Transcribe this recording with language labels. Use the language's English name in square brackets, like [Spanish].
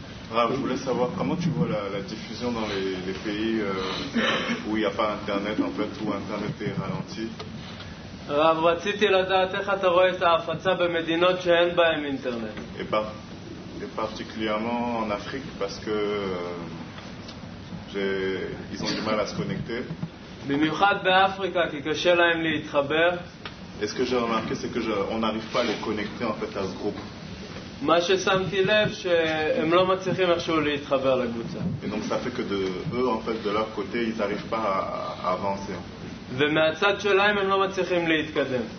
[French] Rav, je voulais savoir comment tu vois la diffusion dans les pays où il n'y a pas internet en fait, où internet est ralenti. [Hebrew] Rav, רציתי לדעת איך אתה רואה את ההפצה במדינות שאין בהן אינטרנט. [French] Et particulièrement en Afrique parce que ils ont du mal à se connecter. [Hebrew] במיוחד באפריקה כי קשה להם להתחבר. [French] Et ce que j'ai remarqué c'est que on n'arrive pas à les connecter en fait à ce groupe. [Hebrew] מה ששמתי לב שהם לא מצליחים איכשהו להתחבר לקבוצה. [French] Et donc ça fait que eux en fait de leur côté ils arrivent pas à avancer. [Hebrew] ומהצד שלהם הם לא מצליחים להתקדם.